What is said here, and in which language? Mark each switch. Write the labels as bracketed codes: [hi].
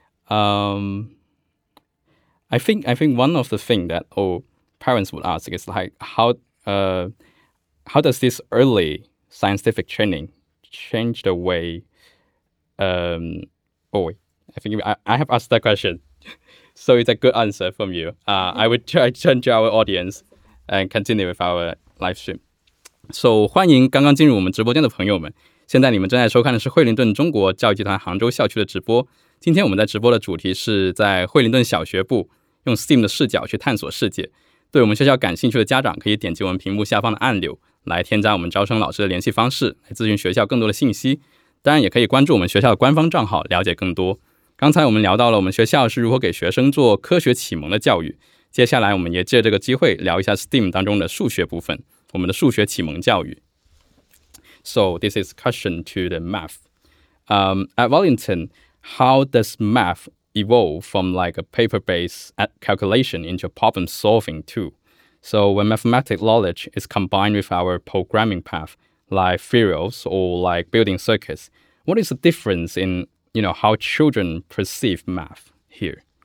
[en] I think one of the things that parents would ask is like how does this early scientific training change the way I have asked that question. So it's a good answer from you. I would try to turn to our audience and continue with our live stream. [zh] 欢迎刚刚进入我们直播间的朋友们，现在你们正在收看的是惠灵顿中国教育集团杭州校区的直播。今天我们在直播的主题是在惠灵顿小学部用 STEAM 的视角去探索世界。对我们学校感兴趣的家长可以点击我们屏幕下方的按钮来添加我们招生老师的联系方式，来咨询学校更多的信息。当然也可以关注我们学校的官方账号了解更多。刚才我们聊到了我们学校是如何给学生做科学启蒙的教育，接下来我们也借这个机会聊一下 STEAM 当中的数学部分，我们的数学启蒙教育。 [en] So this is a question to the math. At Wellington, how does math evolve from like a paper-based calculation into problem solving too? So when mathematic knowledge is combined with our programming path, like theorems or like building circuits, what is the difference in, you know, how children perceive math here?